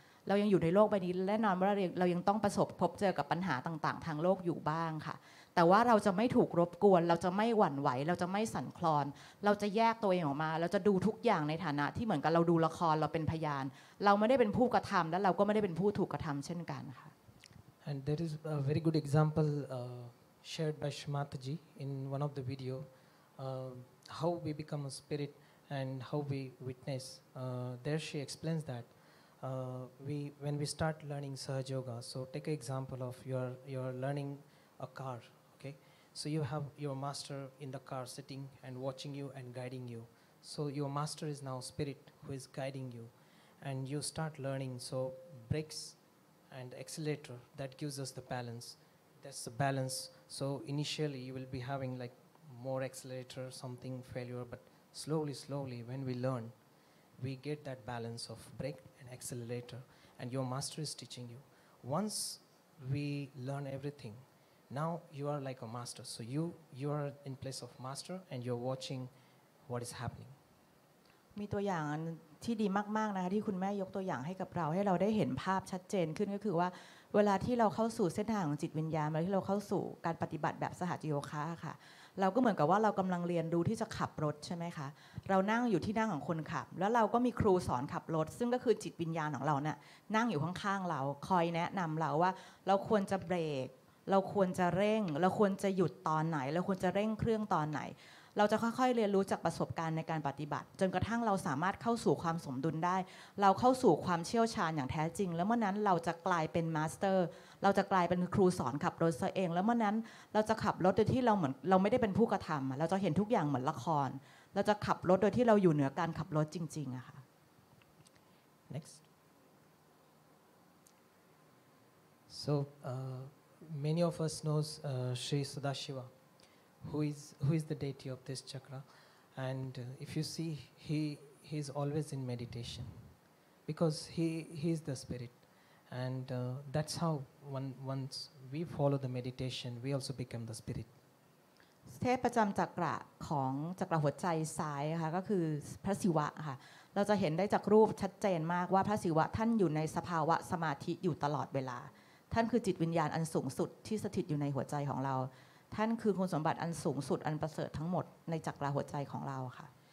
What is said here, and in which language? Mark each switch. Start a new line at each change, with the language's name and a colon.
Thai: เรายังอยู่ในโลกใบนี้แน่นอนว่าเรายังต้องประสบพบเจอกับปัญหาต่างๆทางโลกอยู่บ้างค่ะแต่ว่าเราจะไม่ถูกรบกวนเราจะไม่หวั่นไหวเราจะไม่สั่นคลอนเราจะแยกตัวเองออกมาเราจะดูทุกอย่างในฐานะที่เหมือนกับเราดูละครเราเป็นพยานเราไม่ได้เป็นผู้กระทำและเราก็ไม่ได้เป็นผู้ถูกกระทำเช่นกันค่ะ
English: And there is a very good example shared by Shmataji in one of the video how we become a spirit and how we witness there she explains that when we start learning Sahaja Yoga so take an example of you're learning a car okay so you have your master in the car sitting and watching you and guiding you so your master is now spirit who is guiding you and you start learning so brakes and accelerator that gives us the balance that's the balance so initially you will be having like more accelerator something failure but slowly when we learn we get that balance of brake and accelerator and your master is teaching you once we learn everythingNow you are like a master. So you are in place of master and you're watching what is happening.
Thai: มีตัวอย่างที่ดีมากๆนะคะที่คุณแม่ยกตัวอย่างให้กับเราให้เราได้เห็นภาพชัดเจนขึ้นก็คือว่าเวลาที่เราเข้าสู่เส้นทางของจิตวิญญาณเวลาที่เราเข้าสู่การปฏิบัติแบบสหัจจโยคะค่ะเราก็เหมือนกับว่าเรากำลังเรียนรู้ที่จะขับรถใช่ไหมคะเรานั่งอยู่ที่นั่งของคนขับแล้วเราก็มีครูสอนขับรถซึ่งก็คือจิตวิญญาณของเราเนี่ยนั่งอยู่ข้างๆเราคอยแนะนำเราว่าเราควรจะเบรกเราควรจะเร่งเราควรจะหยุดตอนไหนเราควรจะเร่งเครื่องตอนไหน เราจะค่อยๆเรียนรู้จากประสบการณ์ในการปฏิบัติจนกระทั่งเราสามารถเข้าสู่ความสมดุลได้เราเข้าสู่ความเชี่ยวชาญอย่างแท้จริงแล้วเมื่อนั้นเราจะกลายเป็นมาสเตอร์เราจะกลายเป็นครูสอนขับรถซะเองแล้วเมื่อนั้นเราจะขับรถโดยที่เราเหมือนเราไม่ได้เป็นผู้กระทำเราจะเห็นทุกอย่างเหมือนละครเราจะขับรถโดยที่เราอยู่เหนือการขับรถจริงๆอะค่ะ
English: next so many of us knows Sri Sadashiva who is the deity of this chakra and if you see he is always in meditation because he is the spirit and that's how once we follow the meditation we also become the spirit
Thai: เทพประจำจักระของจักระหัวใจซ้ายค่ะก็คือพระศิวะค่ะเราจะเห็นได้จากรูปชัดเจนมากว่าพระศิวะท่านอยู่ในสภาวะสมาธิอยู่ตลอดเวลา ท่านคือจิตวิญญาณอันสูงสุดที่สถิตอยู่ในหัวใจของเราท่านคือคุณสมบัติอันสูงสุดอันประเสริฐทั้งหมดในจักรวาลหัวใจของเราค่ะ